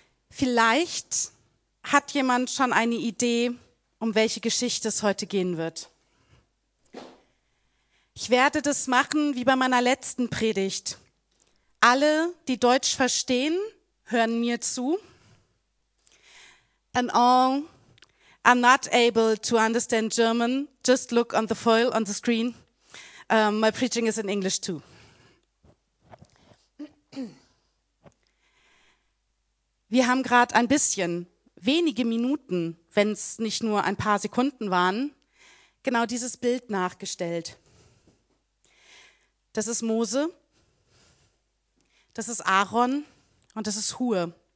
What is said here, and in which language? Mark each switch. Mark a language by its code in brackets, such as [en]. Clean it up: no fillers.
[de] Vielleicht hat jemand schon eine Idee, um welche Geschichte es heute gehen wird. Ich werde das machen wie bei meiner letzten Predigt. Alle, die Deutsch verstehen, hören mir zu. [en] And all are not able to understand German, just look on the foil on the screen. My preaching is in English too. [de] Wir haben gerade ein bisschen, wenige Minuten, wenn es nicht nur ein paar Sekunden waren, genau dieses Bild nachgestellt. Das ist Mose, das ist Aaron und das ist Hur.